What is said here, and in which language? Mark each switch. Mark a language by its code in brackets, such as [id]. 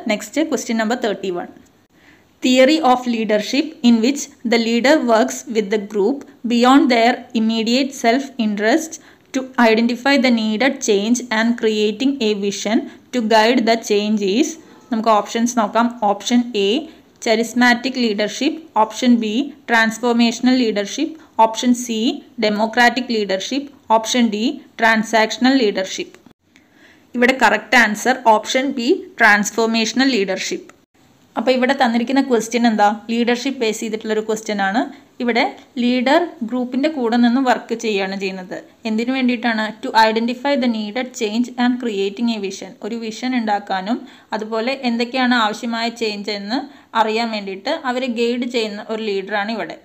[en] Next question number 31. Theory of leadership in which the leader works with the group beyond their immediate self interest to identify the needed change and creating a vision to guide the changes. [ml] നമുക്ക് options നോക്കാം. [en] Option A, charismatic leadership. Option B, transformational leadership. Option C, democratic leadership. Option D, transactional leadership. ഇവിടെ correct answer option B, transformational leadership. [ml] അപ്പോൾ ഇവിടെ തന്നിരിക്കുന്ന question എന്താ, leadership base ചെയ്തിട്ടുള്ളൊരു question ആണ്. ഇവിടെ leader ഗ്രൂപ്പിൻ്റെ കൂടെ നിന്ന് വർക്ക് ചെയ്യുകയാണ് ചെയ്യുന്നത്. എന്തിനു വേണ്ടിയിട്ടാണ്? [en] To identify the needed change and creating a vision. [ml] ഒരു വിഷൻ ഉണ്ടാക്കാനും അതുപോലെ എന്തൊക്കെയാണ് ആവശ്യമായ ചേഞ്ച് എന്ന് അറിയാൻ വേണ്ടിയിട്ട് അവരെ ഗൈഡ് ചെയ്യുന്ന ഒരു ലീഡറാണ് ഇവിടെ.